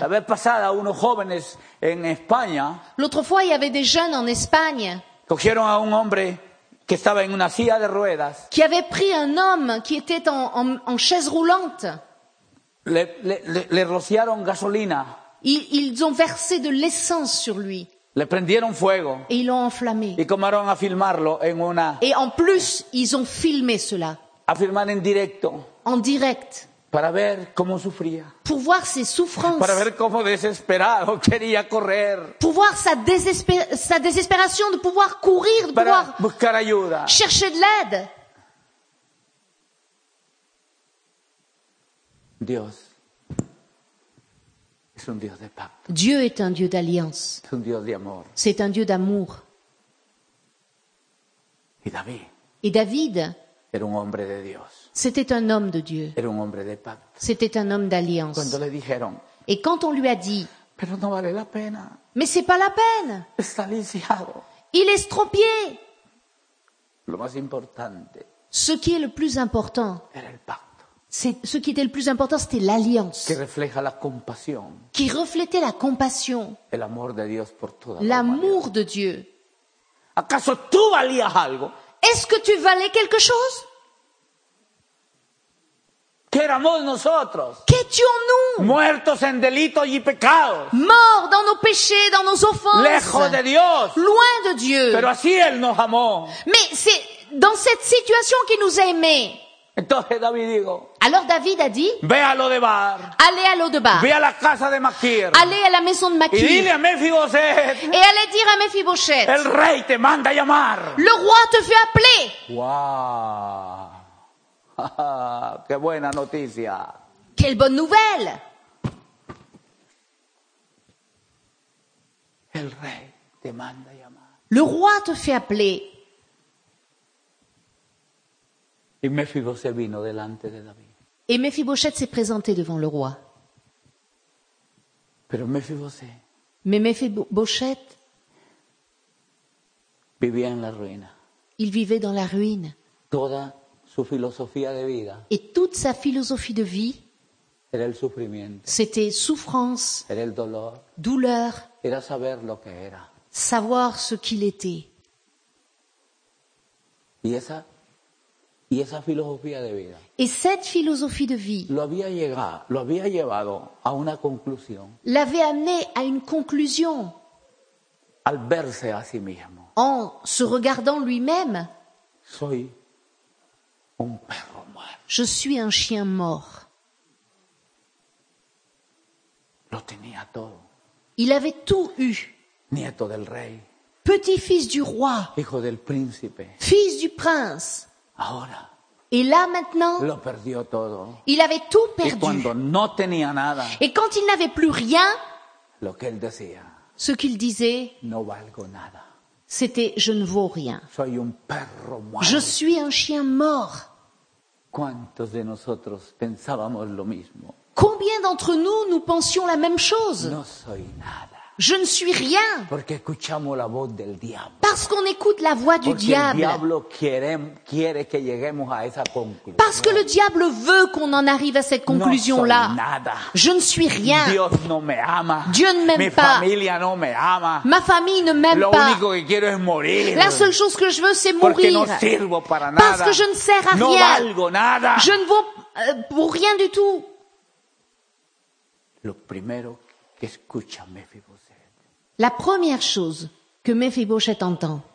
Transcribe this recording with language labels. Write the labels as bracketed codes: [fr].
[es] La vez pasada, unos jóvenes en España, [fr] l'autre fois, il y avait des jeunes en Espagne. [es] Cogieron a un hombre que estaba en una silla de ruedas. [fr] Qui avait pris un homme qui était en chaise roulante. [es] Le rociaron gasolina. [fr] Ils ont versé de l'essence sur lui. [es] Le prendieron fuego. [fr] Et ils l'ont enflammé. [es] Y comenzaron a filmarlo en una. [fr] Et en plus, ils ont filmé cela. [es] A filmar en directo. [fr] En direct. [es] Para ver cómo sufría. [fr] Pour voir ses souffrances. [es] Para ver cómo desesperado quería correr. [fr] Pour voir sa désespération de pouvoir courir, de [es] para [fr] pouvoir [es] buscar ayuda. [fr] Chercher de l'aide. [es] Dios es un Dios de pacto. [fr] Dieu est un Dieu d'alliance. [es] Es un Dios de amor. [fr] C'est un Dieu d'amour. Et [es] David era un hombre de Dios. [fr] C'était un homme de Dieu. [es] Era un hombre de pacto. [fr] C'était un homme d'alliance. [es] Cuando le dijeron, [fr] et quand on lui a dit, [es] pero no vale la pena. [fr] Mais c'est pas la peine. [es] Está lisiado. [fr] Il est estropié. [es] Lo más importante. [fr] Ce qui est le plus important. [es] Era el pacto. [fr] C'est ce qui était le plus important, c'était l'alliance. [es] Que refleja la compasión. [fr] Qui reflétait la compassion. [es] El amor de Dios por toda [fr] l'amour de Dieu. [es] ¿Acaso tú valías algo? [fr] Est-ce que tu valais quelque chose? [es] Éramos nosotros. [fr] Qu'étions-nous? [es] Muertos en delitos y pecados. [fr] Morts dans nos péchés, dans nos offenses. [es] Lejos de Dios. [fr] Loin de Dieu. [es] Pero así él nos amó. [fr] Mais c'est dans cette situation qu'il nous a aimés. [es] Entonces David dijo. [fr] Alors David a dit. [es] Ve a Lodebar. [fr] Allez à Lodebar. [es] Ve a la casa de Maquir. [fr] Allez à la maison de Maquir. [es] Y dile a Mefiboset. [fr] Et allez dire à Mefiboset. [es] El rey te manda llamar. [fr] Le roi te fait appeler. Waouh. [es] Qué buena noticia. [fr] Quelle bonne nouvelle. [es] El rey te manda llamar. [fr] Le roi te fait appeler. [es] Y Mefiboset vino delante de David. [fr] Et Mefiboset s'est présenté devant le roi. [es] Pero Mefiboset. [fr] Mais Mefiboset [es] vivía en la ruina. [fr] Il vivait dans la ruine. [es] Toda su filosofía de vida. [fr] Et toute sa philosophie de vie. [es] Era el sufrimiento. [fr] C'était souffrance. [es] Era el dolor. [fr] Douleur. [es] Era saber lo que era. [fr] Savoir ce qu'il était. [es] Y esa filosofía de vida. [fr] Et cette philosophie de vie. [es] Lo había llevado a una conclusión. [fr] L'avait amené à une conclusion. [es] Al verse a sí mismo. [fr] En se regardant lui-même. [es] Soy un perro muerto. [fr] Je suis un chien mort. [es] Lo tenía todo. [fr] Il avait tout eu. [es] Nieto del rey. [fr] Petit-fils du roi. [es] Hijo del príncipe. [fr] Fils du prince. [es] Ahora. [fr] Et là maintenant. [es] Lo perdió todo. [fr] Il avait tout perdu. [es] Y cuando no tenía nada. [fr] Et quand il n'avait plus rien. [es] Lo que él decía. [fr] Ce qu'il disait. [es] No valgo nada. [fr] C'était « Je ne vaux rien ». [es] Soy un perro muerto. [fr] Je suis un chien mort. [es] ¿Cuántos de nosotros pensábamos lo mismo? [fr] Combien d'entre nous, nous pensions la même chose? [es] No soy nada. [fr] Je ne suis rien. [es] Porque escuchamos la voz del diablo. [fr] Parce qu'on écoute la voix du [es] Porque [fr] diable. [es] El diablo quiere que lleguemos a esa conclusión. [fr] Parce que le diable veut qu'on en arrive à cette conclusion-là. [es] No soy nada. [fr] Je ne suis rien. [es] Dios no me ama. [fr] Dieu ne m'aime [es] Mi [fr] pas. [es] Familia no me ama. [fr] Ma famille ne m'aime [es] lo [fr] pas. [es] Único que quiero es morir. [fr] La seule chose que je veux, c'est mourir. [es] Porque no sirvo para nada. [fr] Parce que je ne sers à [es] no [fr] rien. [es] Valgo nada. [fr] Je ne vaux pour rien du tout. [es] Lo primero que escucha Mefiboset. [fr] La première chose que Mefiboset entend